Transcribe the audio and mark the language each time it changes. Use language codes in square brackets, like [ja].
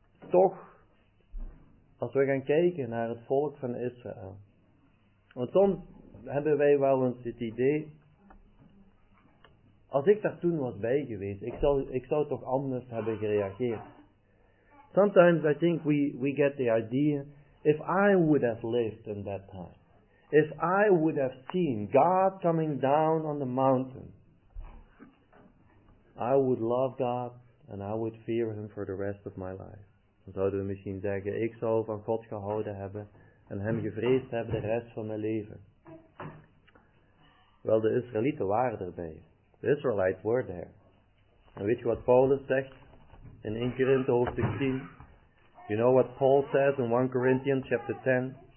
[nl] toch, als we gaan kijken naar het volk van Israël. Want soms hebben wij wel eens het idee, als ik daar toen was bij geweest, ik zou toch anders hebben gereageerd. [en] Sometimes I think we get the idea, if I would have lived in that time, if I would have seen God coming down on the mountain, I would love God and I would fear Him for the rest of my life. [nl] Dan zouden we misschien zeggen, ik zou van God gehouden hebben en Hem gevreesd hebben de rest van mijn leven. Wel, de Israëlieten waren erbij. [en] The Israelites were there. [nl] En weet je wat Paulus zegt? In 1 Corinthians hoofdstuk 10. [en] You know what Paul says in 1 Corinthians chapter 10?